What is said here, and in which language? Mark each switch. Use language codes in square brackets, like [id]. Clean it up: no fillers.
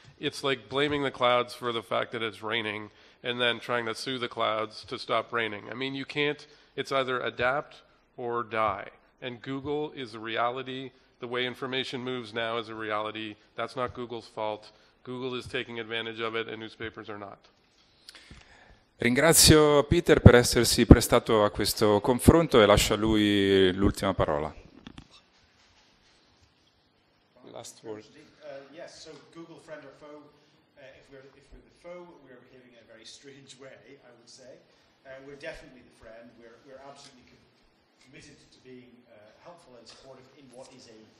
[en] It's like blaming the clouds for the fact that it's raining and then trying to sue the clouds to stop raining. I mean, you can't, it's either adapt or die. And Google is a reality. The way information moves now is a reality. That's not Google's fault. Google is taking advantage of it and newspapers are not. [it] Ringrazio Peter per essersi prestato a questo confronto e lascio a lui l'ultima parola. [en] Last word. Yes, so Google friend or foe, if we're the foe, we're behaving in a very strange way, I would say. We're definitely the friend. We're absolutely committed to being helpful and supportive in what is a...